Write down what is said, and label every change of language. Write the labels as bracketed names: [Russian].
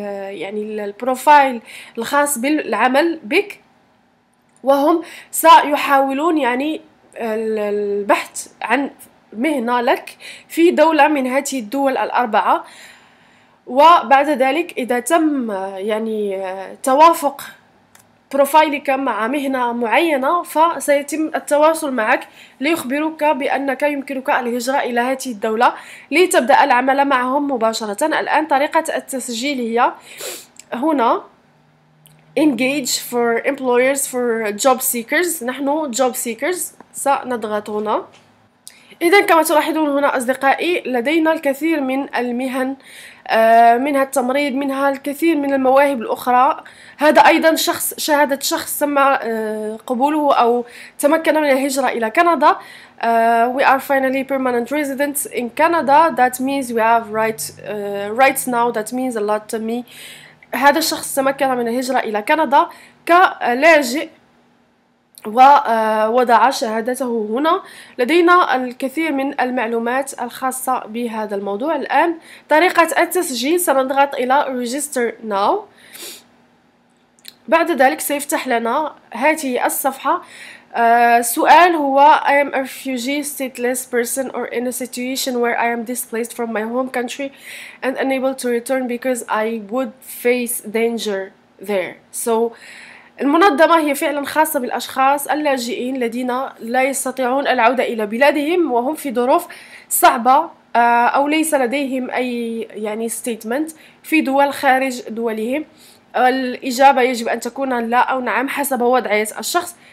[Arabic] يعني البروفايل الخاص بالعمل بك، وهم سيحاولون يعني البحث عن مهنة لك في دولة من هذه الدول الأربعة، وبعد ذلك إذا تم يعني توافق بروفايلك مع مهنة معينة فسيتم التواصل معك ليخبروك بأنك يمكنك الهجرة إلى هذه الدولة لتبدأ العمل معهم مباشرة. الآن طريقة التسجيل هي هنا engage for employers for job seekers. نحن job seekers، سنضغط هنا. إذا كما تلاحظون هنا أصدقائي لدينا الكثير من المهن، منها التمريض، منها الكثير من المواهب الأخرى. هذا أيضا شخص، شهادة شخص تم قبوله أو تمكن من الهجرة إلى كندا. [English] We are finally permanent residents in Canada. That means we have rights now. That means a lot to me. [Arabic] هذا الشخص تمكن من الهجرة إلى كندا كلاجئ ووضع شهادته هنا. لدينا الكثير من المعلومات الخاصة بهذا الموضوع. الآن طريقة التسجيل، سنضغط إلى register now. بعد ذلك سيفتح لنا هذه الصفحة. [English] السؤال هو I am a refugee stateless person or in a situation where I am displaced from my home country and unable to return because I would face danger there. [Arabic] So المنظمة هي فعلا خاصة بالأشخاص اللاجئين الذين لا يستطيعون العودة إلى بلادهم وهم في ظروف صعبة أو ليس لديهم أي يعني statement في دول خارج دولهم. الإجابة يجب أن تكون لا أو نعم حسب وضعية الشخص.